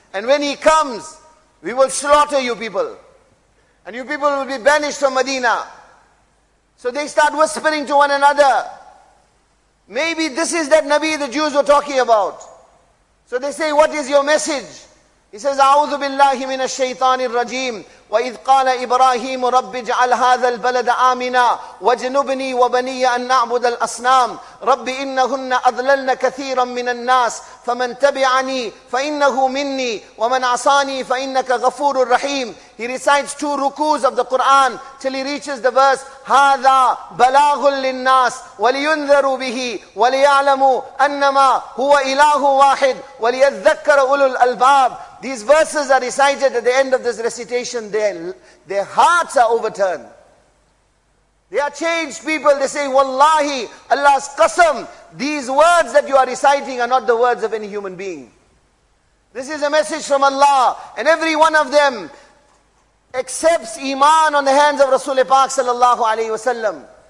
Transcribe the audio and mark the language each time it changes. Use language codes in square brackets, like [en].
[en] And when he comes, we will slaughter you people. And you people will be banished from Medina. So they start whispering to one another. Maybe this is that Nabi the Jews were talking about. So they say, what is your message? He says, [ar] أعوذ بالله من الشيطان الرجيم وإذ قال إبراهيم رب اجعل هذا البلد آمنا واجنبني وبني أن نعبد الأصنام رب إنهن أضللن كثيرا من الناس فمن تبعني فإنه مني ومن عصاني فإنك غفور رحيم. [en] He recites two rukus of the Quran till he reaches the verse, [ar] هذا بلاغ للناس ولينذروا به وليعلموا أنما هو إله واحد وليذكر أولو الألباب. [en] These verses are recited at the end of this recitation. Their hearts are overturned. They are changed people. They say, Wallahi, Allah's Qasam, these words that you are reciting are not the words of any human being. This is a message from Allah. And every one of them accepts Iman on the hands of Rasul Pak sallallahu alayhi wa sallam.